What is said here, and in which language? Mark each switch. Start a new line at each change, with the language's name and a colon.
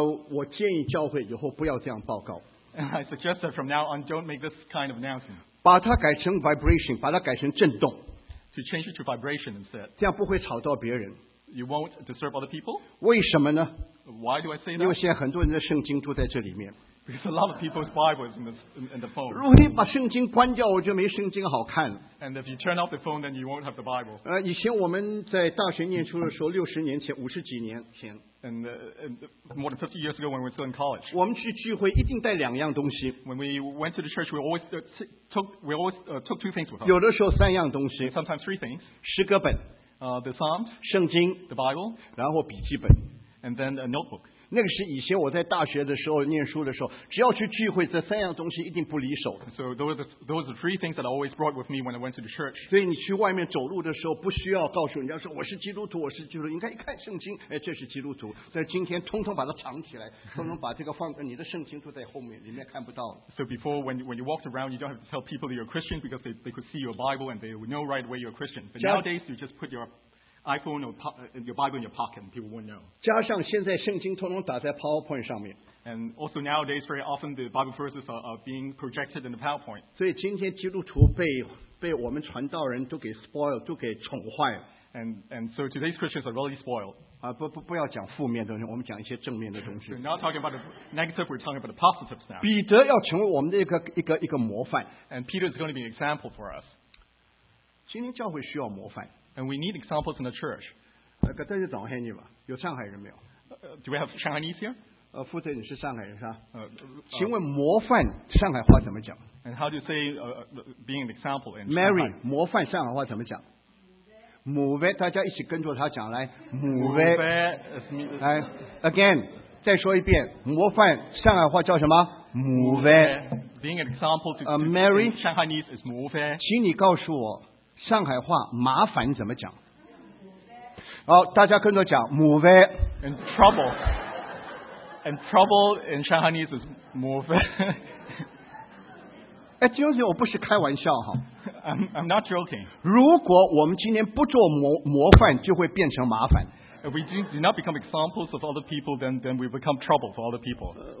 Chinese: 我建议教会以后不要这样报告。
English: And I suggest that from now on, don't make this kind of announcement.
Chinese: 把它改成 vibration, 把它改成震动。
English: To change it to vibration instead.
Chinese: 这样不会吵到别人。
English: You won't disturb other people.
Chinese: 为什么呢
English: ？Why do I say that?
Chinese: 因为现在很多人的圣经都在这里面。
English: Because a lot of people's Bibles in the phone.
Chinese: 如果你把圣经关掉，我就没圣经好看了。
English: And if you turn off the phone, then you won't have the Bible.
Chinese: 以前我们在大学念书的时候，六十年前，五十几年前。
English: And more than 50 years ago, when we were still in college.
Chinese: 我们去聚会一定带两样东西。
English: When we went to the church, we always took two things with us.
Chinese: 有的时候三样东西。
English: Sometimes three things.
Chinese: 诗歌本。
English: The Psalms.
Chinese: 圣经。
English: The Bible.
Chinese: 然后笔记本。
English: And then a notebook.
Chinese: 那个是以前我在大学的时候念书的时候，只要去聚会，这三样东西一定不离手。
English: So those are the three things that I always brought with me when I went to the church.
Chinese: 所以你去外面走路的时候，不需要告诉人家说我是基督徒，我是基督徒，应该一看圣经，哎，这是基督徒。在今天，通通把它藏起来，通通把这个放，你的圣经都在后面，里面看不到。
English: So before when you walked around, you don't have to tell people that you're a Christian because they could see your Bible and they would know right away you're a Christian. But nowadays you just put your iPhone or your Bible in your pocket, and people won't know.
Chinese: 加上现在圣经通通打在 PowerPoint 上面。
English: And also nowadays, very often the Bible verses are being projected in the PowerPoint.
Chinese: 所以今天基督徒被我们传道人都给
English: spoiled,
Chinese: 都给宠坏了。
English: And so today's Christians are really spoiled.
Chinese: 不要讲负面的东西，我们讲一些正面的东西。
English: We're not talking about the negative, we're talking about the positives now.
Chinese: 彼得要成为我们的一个模范。
English: And Peter is going to be an example for us.
Chinese: 今天教会需要模范。
English: And we need examples in the church.
Chinese: 大家早上好，你吧，有上海人没有？
English: Do we have Chinese here?
Chinese: 负责你是上海人是吧？请问模范上海话怎么讲？
English: And how do you say being an example in Mary,
Chinese: 上海？ Mary, 模范上海话怎么讲？母威，大家一起跟着他讲来，母威。来 ，
English: again，
Chinese: 再说一遍，模范上海话叫什么？母威。
English: Being an example to Mary, Chinese is 母威。
Chinese: 请你告诉我。上海话麻烦怎么讲？好，大家跟着讲，麻烦。
English: And trouble. And trouble in Shanghainese is 麻烦。
Chinese: 哎，就是我不是开玩笑哈。
English: I'm not joking.
Chinese: 如果我们今天不做模范，就会变成麻烦。
English: If we do not become examples of other people, then we become trouble for other people.